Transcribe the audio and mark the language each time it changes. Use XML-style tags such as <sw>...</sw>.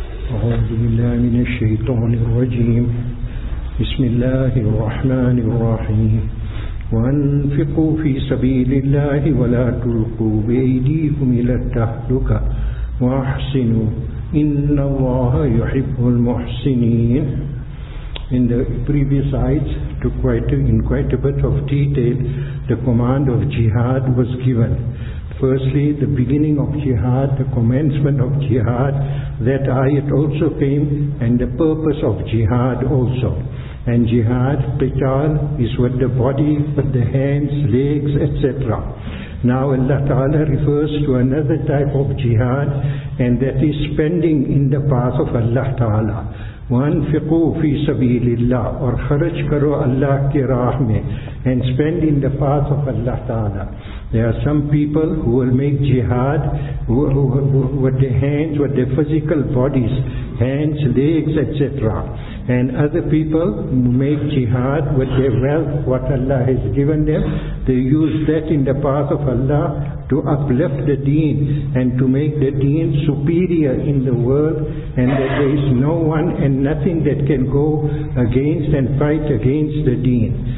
<ar>أعوذ بالله من الشيطان الرجيم. بسم الله الرحمن الرحيم. وأنفقوا في سبيل الله ولا تلقوا بأيديكم إلى التهلكة وأحسنوا إن الله يحب المحسنين.</ar> <en>In the previous ayats, in quite a bit of detail, the command of jihad was given. Firstly, the beginning of jihad, the commencement of jihad, that ayat also came, and the purpose of jihad also. And jihad, qital, is with the body, with the hands, legs, etc. Now Allah Ta'ala refers to another type of jihad, and that is spending in the path of Allah Ta'ala.</en> <ar>وَأَنْفِقُوا فِي سَبِيلِ اللَّهِ وَخَرَجْ كَرُوا اللَّهِ كِي رَحْمِهِ</ar> <en>and spend in the path of Allah Ta'ala. There are some people who will make jihad with their hands, with their physical bodies, hands, legs, etc. And other people make jihad with their wealth, what Allah has given them. They use that in the path of Allah to uplift the deen and to make the deen superior in the world, and that there is no one and nothing that can go against and fight against the deen.</en>